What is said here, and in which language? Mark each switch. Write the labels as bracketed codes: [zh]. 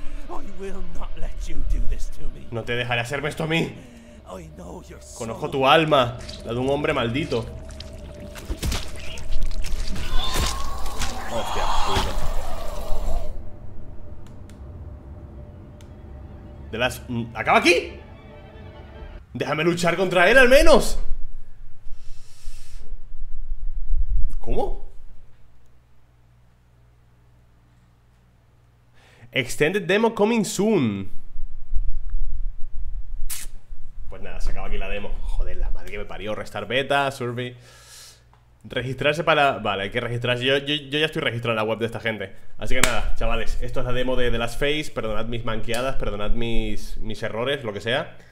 [en] I will not let you do this to me. [es] No te dejaré hacerme esto a mí. [en] I know your soul. [es] Conozco tu alma, la de un hombre maldito. Hostia, puta. De las... ¡Acaba aquí! ¡Déjame luchar contra él al menos! ¿Cómo? [en] Extended demo coming soon. [es] Pues nada, se acaba aquí la demo. Joder, la madre que me parió. Restar beta, survey. Registrarse para. Vale, hay que registrarse. Yo ya estoy registrado en la web de esta gente. Así que nada, chavales, esto es la demo de The Last Phase. Perdonad mis manqueadas, perdonad mis errores, lo que sea.